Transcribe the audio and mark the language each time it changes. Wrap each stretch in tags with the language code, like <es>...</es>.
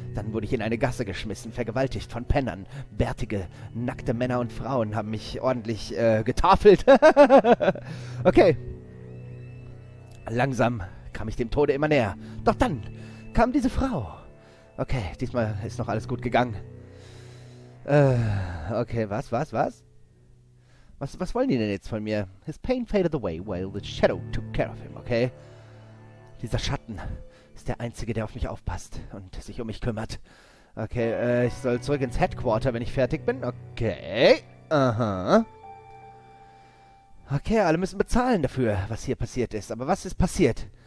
<de>Dann wurde ich in eine Gasse geschmissen, vergewaltigt von Pennern. Bärtige, nackte Männer und Frauen haben mich ordentlich getafelt. Okay. Langsam kam ich dem Tode immer näher. Doch dann kam diese Frau. Okay, diesmal ist noch alles gut gegangen. Okay, was? Was wollen die denn jetzt von mir?</de> <en>His pain faded away while the shadow took care of him, okay?</en> <de>Dieser Schatten ist der Einzige, der auf mich aufpasst und sich um mich kümmert. Okay, ich soll zurück ins Headquarter, wenn ich fertig bin. Okay, aha. Okay, alle müssen bezahlen dafür, was hier passiert ist. Aber was ist passiert?</de>